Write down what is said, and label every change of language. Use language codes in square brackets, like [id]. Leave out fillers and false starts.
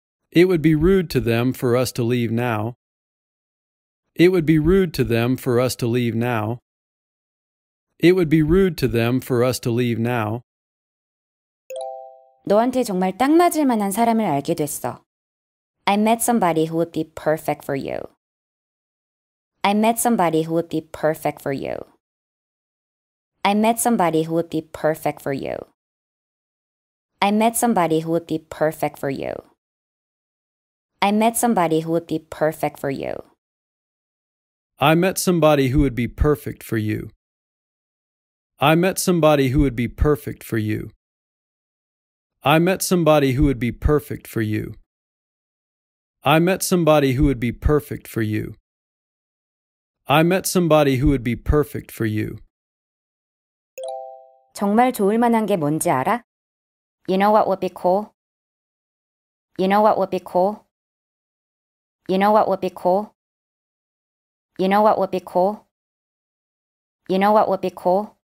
[en] It would be rude to them for us to leave now. It would be rude to them for us to leave now. It would be rude to them for us to leave now. [ko] 너한테 정말 딱 맞을 만한 사람을 알게 됐어. [en] I met somebody who would be perfect for you. I met somebody who would be perfect for you. I met somebody who would be perfect for you. I met somebody who would be perfect for you. I met somebody who would be perfect for you. I met somebody who would be perfect for you. I met somebody who would be perfect for you. I met somebody who would be perfect for you. I met somebody who would be perfect for you. I met somebody who would be perfect for you. [ko] 정말 좋을 만한 게 뭔지 알아? [en] You know what would be cool? You know what would be cool? You know what would be cool? You know what would be cool? You know what would be cool?